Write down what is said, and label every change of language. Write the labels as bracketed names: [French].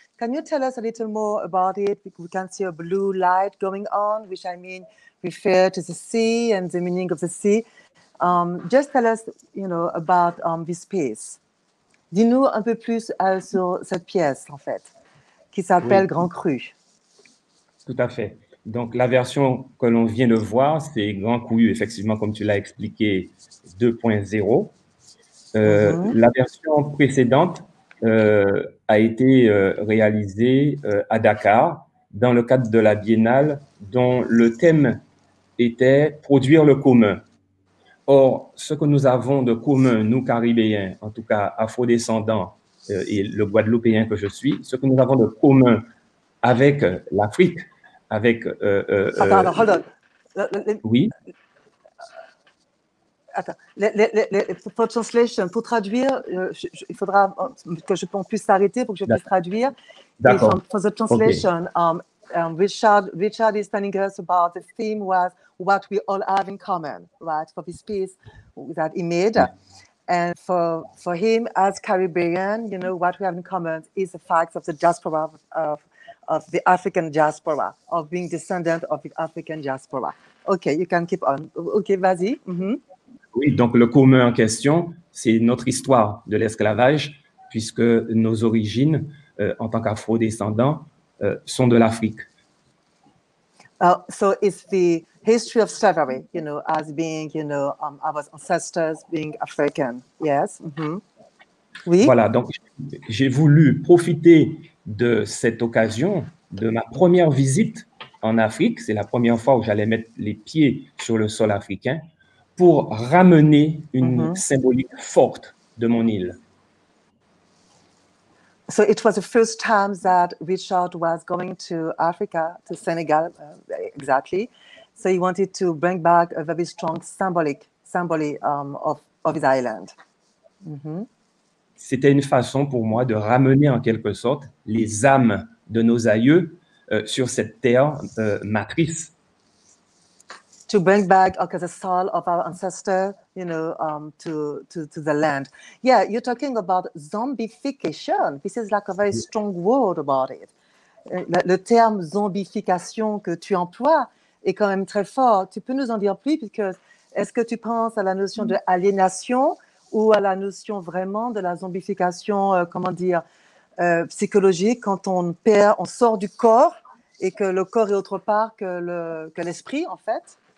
[English] Can you tell us a little more about it? We can see a blue light going on, which I mean refer to the sea and the meaning of the sea. Just tell us, you know, about this piece. [French] Dis-nous un peu plus sur cette pièce, en fait, qui s'appelle Oui, Grand Cru. tout à fait. Donc la version que l'on vient de voir, c'est Grand Couillu, effectivement, comme tu l'as expliqué, 2.0. La version précédente a été réalisée à Dakar dans le cadre de la Biennale dont le thème était Produire le commun. Or, ce que nous avons de commun, nous Caribéens, en tout cas Afro-descendants et le Guadeloupéen que je suis, ce que nous avons de commun avec l'Afrique, avec... Attends, [English] hold on. [French] Oui. Attends. Pour translation, pour traduire, il faudra que je puisse s'arrêter pour que je puisse traduire. D'accord. [English] For the OK. translation, Richard is telling us about the theme was what we all have in common, right, for this piece that he made. And for him, as Caribbean, you know, what we have in common is the fact of the diaspora of the African diaspora, of being descendant of the African diaspora. Okay, you can keep on. Okay, [French] vas-y. [English] Mm-hmm. [French] Oui, donc le commun en question, c'est notre histoire de l'esclavage, puisque nos origines en tant qu'afro-descendants sont de l'Afrique. [English] So it's the history of slavery, you know, as being, you know, our ancestors being African. Yes. Mm-hmm. [French] Oui. Voilà, donc j'ai voulu profiter de cette occasion, de ma première visite en Afrique, c'est la première fois où j'allais mettre les pieds sur le sol africain, pour ramener une symbolique forte de mon île. [English] So it was the first time that Richard was going to Africa, to Senegal, exactly. So he wanted to bring back a very strong symbolic of his island. Mm-hmm. [French] C'était une façon pour moi de ramener en quelque sorte les âmes de nos aïeux sur cette terre matrice. [English] To bring back, okay, the soul of our ancestor, you know, to the land. Yeah, you're talking about zombification. This is like a very strong word about it. [French] Le terme zombification que tu emploies est quand même très fort. Tu peux nous en dire plus, parce que est-ce que tu penses à la notion de aliénation ou à la notion vraiment de la zombification, psychologique, quand on sort du corps et que le corps est autre part que l'esprit, en fait?